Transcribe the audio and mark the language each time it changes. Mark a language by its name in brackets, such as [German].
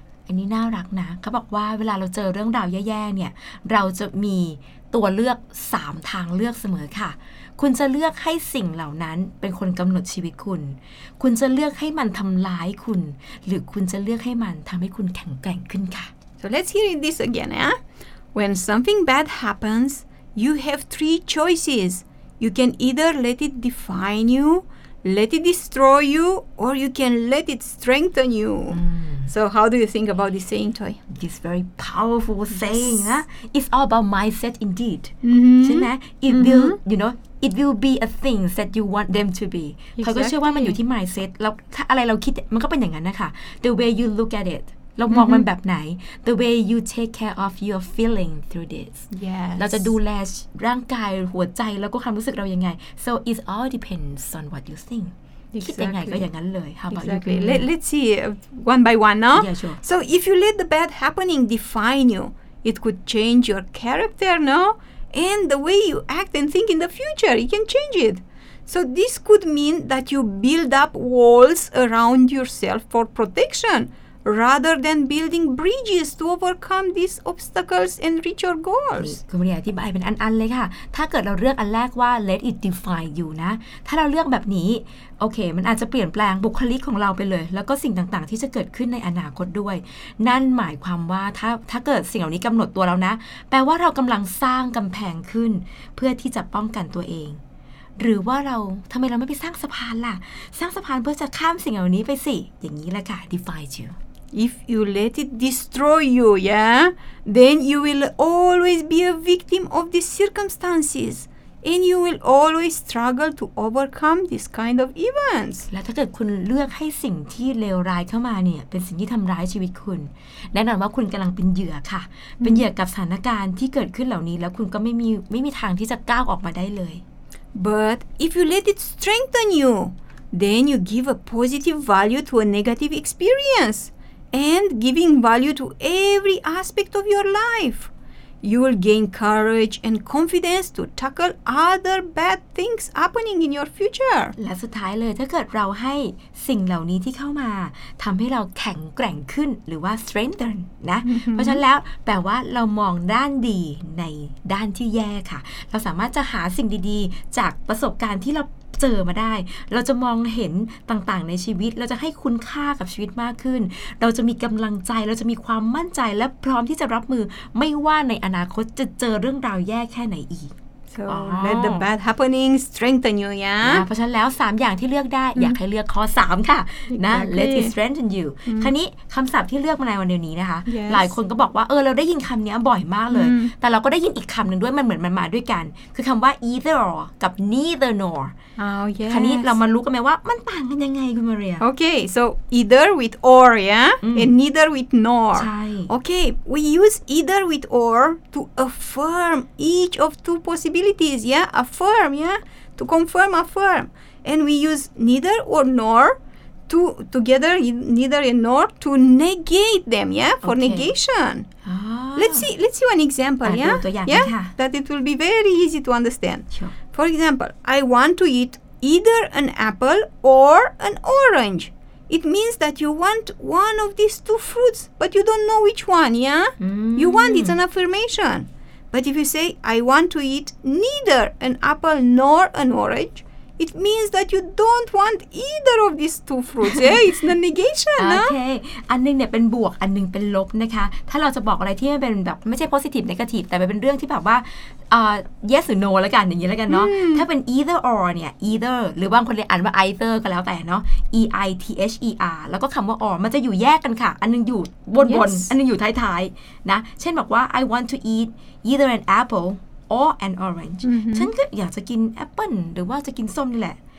[Thai] อันนี้น่ารักนะเขาบอกว่าเวลาเราเจอเรื่องราวแย่ๆเนี่ยเราจะมีตัวเลือก3ทางเลือกเสมอค่ะคุณจะเลือกให้สิ่งเหล่านั้นเป็นคนกำหนดชีวิตคุณคุณจะเลือกให้มันทำร้ายคุณหรือคุณจะเลือกให้มันทำให้คุณแข็งแกร่งขึ้นค่ะ [English] So let's hear this again นะ When something bad happens you have three choices you can either let it define you let it destroy you or you can let it strengthen you So how do you think about this saying, Toy? This very powerful saying, yes. It's all about mindset indeed. Mm-hmm. Right? It mm-hmm. will, you know, it will be a thing that you want them to be. Exactly. [Thai] เชื่อว่ามันอยู่ที่ mindset. เราถ้าอะไรเราคิดมันก็เป็นอย่างนั้นนะคะ [English] The way you look at it. [Thai] เรามองมันแบบไหน [English] The way you take care of your feeling through this Yes [Thai] เราจะดูแลร่างกายหัวใจแล้วก็ความรู้สึกเรายังไง [English] So it all depends on what you think exactly. [Thai] คิดยังไงก็อย่างนั้นเลย [English] How about exactly. you? Let's see one by one no? Yeah sure So if you let the bad happening define you It could change your character no? And the way you act and think in the future You can change it So this could mean that you build up walls around yourself for protectionRather than building bridges to overcome these obstacles and reach your goals. [Thai] คุณมาเรียอธิบายเป็นอันๆเลยค่ะถ้าเกิดเราเลือกอันแรกว่า [English] let it define you [Thai] นะถ้าเราเลือกแบบนี้โอเคมันอาจจะเปลี่ยนแปลงบุคลิกของเราไปเลยแล้วก็สิ่งต่างๆที่จะเกิดขึ้นในอนาคตด้วยนั่นหมายความว่าถ้าเกิดสิ่งเหล่านี้กำหนดตัวเรานะแปลว่าเรากำลังสร้างกำแพงขึ้นเพื่อที่จะป้องกันตัวเองหรือว่าเราทำไมเราไม่ไปสร้างสะพานล่ะสร้างสะพานเพื่อจะข้ามสิ่งเหล่านี้ไปสิอย่างนี้แหละค่ะ define you [English] If you let it destroy you, yeah, then you will always be a victim of the circumstances, and you will always struggle to overcome this kind of events. [Thai] แล้วถ้าเกิดคุณเลือกให้สิ่งที่เลวร้ายเข้ามาเนี่ยเป็นสิ่งที่ทำร้ายชีวิตคุณแน่นอนว่าคุณกำลังเป็นเหยื่อค่ะ mm-hmm. เป็นเหยื่อกับสถานการณ์ที่เกิดขึ้นเหล่านี้แล้วคุณก็ไม่มีทางที่จะก้าวออกมาได้เลย [English] But if you let it strengthen you, then you give a positive value to a negative experience. And giving value to every aspect of your life. You will gain courage and confidence to tackle other bad things happening in your future. [Thai] และสุดท้ายเลยถ้าเกิดเราให้สิ่งเหล่านี้ที่เข้ามาทำให้เราแข็งแกร่งขึ้นหรือว่า strengthen นะ เพราะฉะนั้นแล้วแปลว่าเรามองด้านดีในด้านที่แย่ค่ะเราสามารถจะหาสิ่งดีๆจากประสบการณ์ที่เราเจอมาได้เราจะมองเห็นต่างๆในชีวิตเราจะให้คุณค่ากับชีวิตมากขึ้นเราจะมีกำลังใจเราจะมีความมั่นใจและพร้อมที่จะรับมือไม่ว่าในอนาคตจะเจอเรื่องราวแย่แค่ไหนอีก [English] So let the bad happening strengthen you yeah [Thai] เพราะฉะนั้นแล้ว3อย่างที่เลือกได้อยากให้เลือกข้อ3ค่ะนะ [English] let it strengthen you [Thai] คราวนี้คำศัพท์ที่เลือกมาในวันนี้นะคะหลายคนก็บอกว่าเราได้ยินคำนี้บ่อยมากเลยแต่เราก็ได้ยินอีกคำหนึ่งด้วยมันเหมือนมันมาด้วยกันคือคำว่า either or กับ neither nor คราวนี้เรามารู้กันไหมว่ามันต่างกันยังไงคุณมาเรีย [English] okay so either with or yeah and neither with nor okay we use either with or to affirm each of two possibilities yeah affirm yeah to confirm affirm and we use neither or nor to together neither and nor to negate them yeah for negation Let's see one example. That it will be very easy to understand. Sure. For example, I want to eat either an apple or an orange. It means that you want one of these two fruits, but you don't know which one, yeah? Mm. You want, it's an affirmation. But if you say, I want to eat neither an apple nor an orange, it means that you don't want either of these two fruits. Yeah, it's the negation. Okay. [Thai] อันนึงเนี่ยเป็นบวกอันนึงเป็นลบนะคะถ้าเราจะบอกอะไรที่มันเป็นแบบไม่ใช่ positive negative แต่มันเป็นเรื่องที่แบบว่า [English] yes or no [Thai] แล้วกันอย่างนี้แล้วกันเนาะถ้าเป็น either or เนี่ย either หรือบางคนเรียกอ่านว่า either ก็แล้วแต่เนาะ E-I-T-H-E-R แล้วก็คำว่า or มันจะอยู่แยกกันค่ะอันนึงอยู่บนบนอันนึงอยู่ท้ายๆนะเช่นบอกว่า [English] I want to eat either an appleOr an orange [Thai] ฉันก็อยากจะกินแอปเปิลหรือว่าจะกินส้มนี่แหละ